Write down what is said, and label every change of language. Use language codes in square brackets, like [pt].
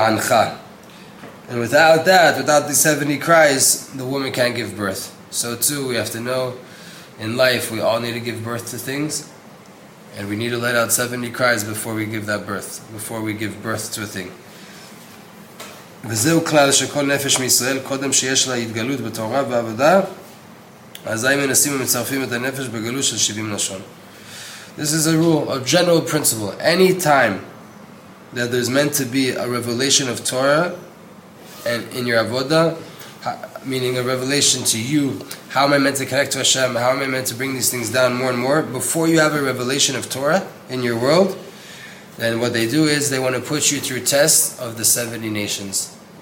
[en] And without that, without the 70 cries, the woman can't give birth. So too, we have to know, in life, we all need to give birth to things, and we need to let out 70 cries before we give that birth, before we give birth to a thing. [he] וזהו כלל שכל נפש מישראל, קודם שיש לה התגלות בתורה ועבודה, אזי מנסים ומצרפים את הנפש בגלות של 70 לשון. [en] This is a rule, a general principle. Any time that there's meant to be a revelation of Torah and in your avodah, meaning a revelation to you, how am I meant to connect to Hashem, how am I meant to bring these things down more and more, before you have a revelation of Torah in your world, then what they do is they want to put you through tests of the 70 nations.